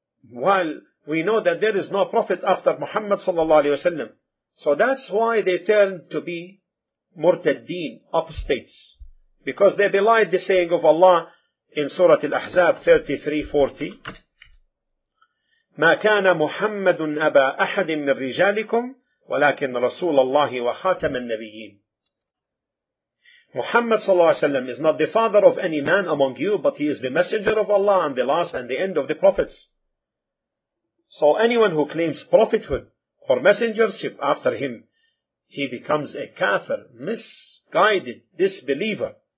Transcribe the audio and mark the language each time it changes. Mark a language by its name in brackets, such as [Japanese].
[English] While we know that there is no prophet after Muhammad sallallahu alaihi wasallam, so that's why they turned to be murtaddeen, apostates, because they belied the saying of Allah in Surah Al-Ahzab 33:40. [Arabic] ما كان محمد أبا أحد من رجالكم ولكن رسول الله وخاتم النبيين. [English] Muhammad sallallahu alaihi wasallam is not the father of any man among you, but he is the messenger of Allah and the last and the end of the prophets. So anyone who claims prophethood or messengership after him, he becomes a kafir, misguided disbeliever.